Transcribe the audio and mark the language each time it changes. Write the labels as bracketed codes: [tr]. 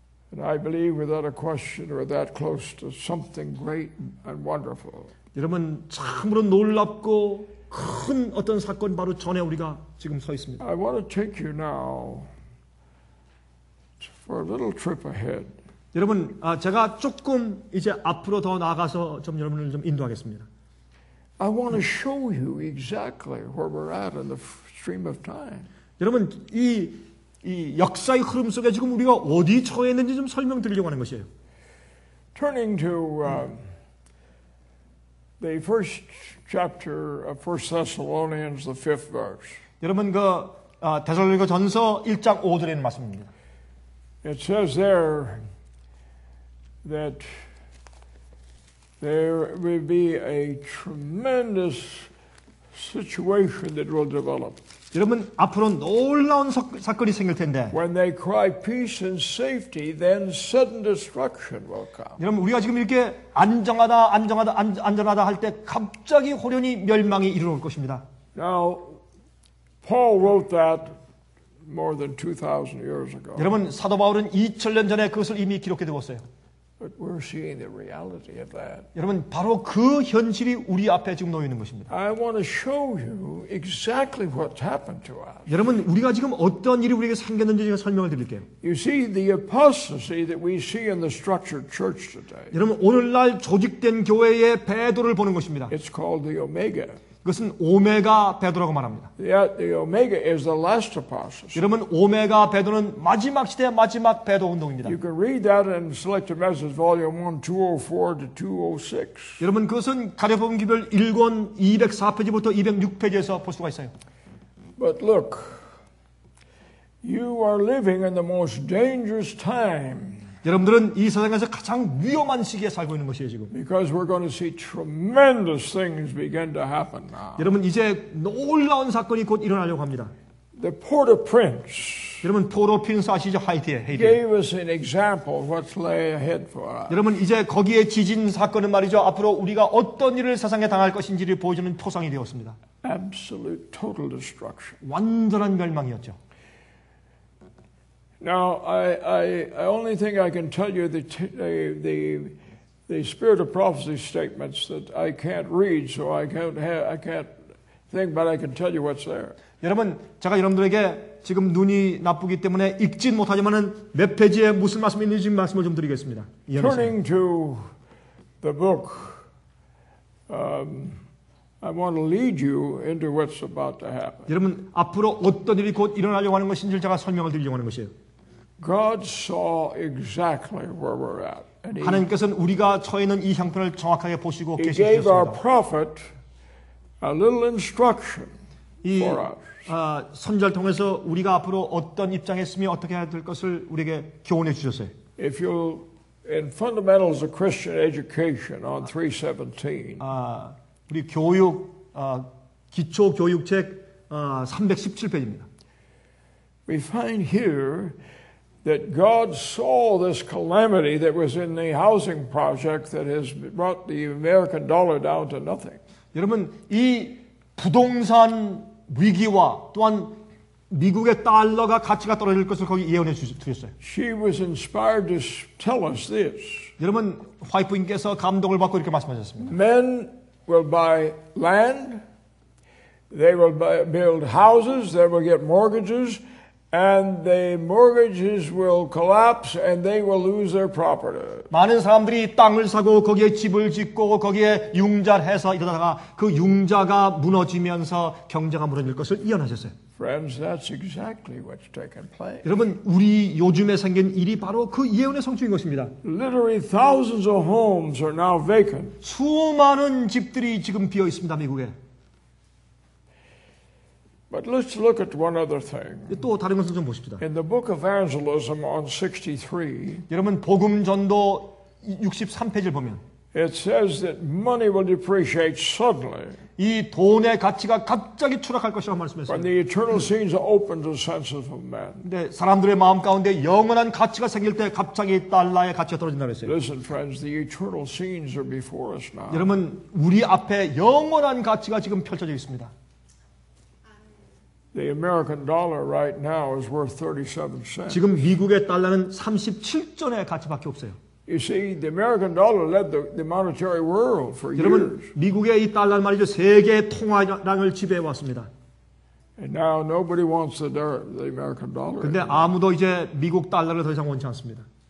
[en] And I believe without a question or that close to something great and wonderful. [ko] 여러분 참으로 놀랍고 큰 어떤 사건 바로 전에 우리가 지금 서 있습니다. [en] I want to take you now for a little trip ahead. [ko] 여러분 제가 조금 이제 앞으로 더 나가서 좀 여러분을 좀 인도하겠습니다. [en] I want to show you exactly where we're at in the stream of time. [ko] 여러분 이 역사의 흐름 속에 지금 우리가 어디 처해 있는지 좀 설명드리려고 하는 것이에요. [en] Turning to the first chapter of 1 Thessalonians, the fifth verse. [ko] 여러분 그 데살로니가 전서 1장 5절에 있는 말씀입니다. [en] It says there that there will be a tremendous situation that will develop. [ko] 여러분 앞으로 놀라운 사건이 생길 텐데. [en] When they cry peace and safety, then sudden destruction will come. [ko] 여러분 우리가 지금 이렇게 안정하다 안전하다 할 때 갑자기 홀연히 멸망이 일어날 것입니다. [en] Now, Paul wrote that more than 2,000 years ago. [ko] 여러분 사도 바울은 2,000년 전에 그것을 이미 기록해 두었어요. [en] But we're seeing the reality of that. [ko] 여러분 바로 그 현실이 우리 앞에 지금 놓여 있는 것입니다. [en] I want to show you exactly what's happened to us. [ko] 여러분 우리가 지금 어떤 일이 우리에게 생겼는지 제가 설명을 드릴게요. [en] You see the apostasy that we see in the structured church today. [ko] 여러분 오늘날 조직된 교회의 배도를 보는 것입니다. [en] It's called the omega. [ko] 그것은 오메가 배도라고 말합니다. [en] Yeah, the omega is the last apostasy. [ko] 여러분 오메가 배도는 마지막 시대의 마지막 배도 운동입니다. [en] You can read that in Selected Messages volume 1 204 to 206. [ko] 여러분 그것은 가려복음 기별 1권 204페이지부터 206페이지에서 볼 수가 있어요. [en] But look. You are living in the most dangerous time. [ko] 여러분들은 이 세상에서 가장 위험한 시기에 살고 있는 것이에요 지금. [en] Because we're going to see tremendous things begin to happen now. [ko] 여러분 이제 놀라운 사건이 곧 일어나려고 합니다. [en] The Port of Prince. [ko] 여러분 포르투 아시죠 하이티에. [en] Gave us an example of what's lay ahead for us. [ko] 여러분 이제 거기에 지진 사건은 말이죠 앞으로 우리가 어떤 일을 세상에 당할 것인지를 보여주는 토상이 되었습니다. [en] Absolute total destruction. [ko] 완전한 멸망이었죠. [en] Now I only think I can tell you the spirit of prophecy statements that I can't read, so I can't think, but I can tell you what's there. [ko] 여러분, 제가 여러분들에게 지금 눈이 나쁘기 때문에 읽진 못하지만은 몇 페이지에 무슨 말씀이 있는지 말씀을 좀 드리겠습니다. [en] Turning to the book, I want to lead you into what's about to happen. [ko] 여러분, 앞으로 어떤 일이 곧 일어나려고 하는 것인지를 제가 설명을 드리려고 하는 것이에요. [en] God saw exactly where we're at. [ko] 하나님께서는 우리가 처해 있는 이 형편을 정확하게 보시고 [en] He gave our prophet a little instruction for us. [ko] 선지자를 통해서 우리가 앞으로 어떤 입장에 있으면 어떻게 해야 될 것을 우리에게 교훈해 주셨어요. [en] If you in fundamentals of Christian education on 317. [ko] 우리 교육 기초 교육책 317페이지입니다. [en] We find here that God saw this calamity that was in the housing project that has brought the American dollar down to nothing. [ko] 여러분 이 부동산 위기와 또한 미국의 달러가 가치가 떨어질 것을 거기 예언해 주셨어요. [en] She was inspired to tell us this. [ko] 여러분 화이프님께서 감동을 받고 이렇게 말씀하셨습니다. [en] Men will buy land. They will build houses. They will get mortgages. And the mortgages will collapse, and they will lose their property. [ko] 많은 사람들이 땅을 사고 거기에 집을 짓고 거기에 융자해서 이러다가 그 융자가 무너지면서 경제가 무너질 것을 예언하셨어요. [en] Friends, that's exactly what's taken place. [ko] 여러분, 우리 요즘에 생긴 일이 바로 그 예언의 성취인 것입니다. [en] Literally, thousands of homes are now vacant. [ko] 수많은 집들이 지금 비어 있습니다, 미국에. [en] But let's look at one other thing. [ko] 또 다른 것을 좀 보십시다. [en] In the book of Evangelism on 63. [ko] 여러분 복음 전도 63 페이지를 보면. [en] It says that money will depreciate suddenly. [ko] 이 돈의 가치가 갑자기 추락할 것이라고 말씀했어요. [en] When the eternal scenes open the senses of man. [ko] 근데 사람들의 마음 가운데 영원한 가치가 생길 때 갑자기 달러의 가치가 떨어진다 그랬어요. [en] Listen, friends, the eternal scenes are before us now. [ko] 여러분, 우리 앞에 영원한 가치가 지금 펼쳐져 있습니다. [en] The American dollar right now is worth 37 cents. [ko] 지금 미국의 달러는 37전의 가치밖에 없어요. [en] You see, the American dollar led the monetary world for years. [ko] 여러분, 미국의 이 달러 말이죠. 세계 통화량을 지배해 왔습니다. [en] And now nobody wants the American dollar. [ko] 근데 아무도 이제 미국 달러를 더 이상 원치 않습니다.